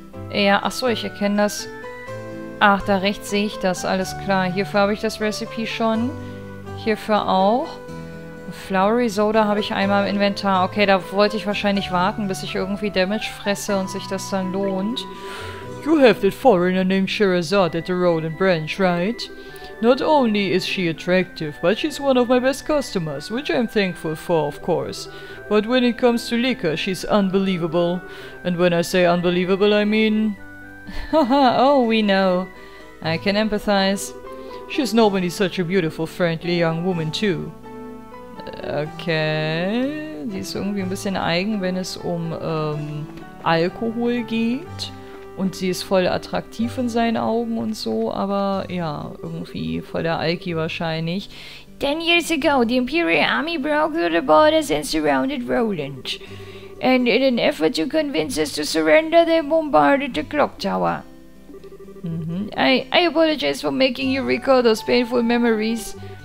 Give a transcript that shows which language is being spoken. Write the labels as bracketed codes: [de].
[de] Ja, achso, ich erkenne das. Ach, da rechts sehe ich das, alles klar. Hierfür habe ich das Recipe schon. Hierfür auch. Flowery Soda habe ich einmal im Inventar. Okay, da wollte ich wahrscheinlich warten, bis ich irgendwie Damage fresse und sich das dann lohnt. [en] You have that foreigner named Shirazad at the Roland Branch, right? Not only is she attractive, but she's one of my best customers, which I'm thankful for, of course. But when it comes to liquor, she's unbelievable. And when I say unbelievable, I mean... Oh, we know. I can empathize. She's normally such a beautiful, friendly young woman, too. Okay... [de] Die ist irgendwie ein bisschen eigen, wenn es um, Alkohol geht. Und sie ist voll attraktiv in seinen Augen und so, aber ja, irgendwie voll der Alki wahrscheinlich. [en] 10 years ago, the Imperial Army broke through the borders and surrounded Roland. and in an effort to convince us to surrender, they bombarded the clock tower. I apologize for making you recall those painful memories.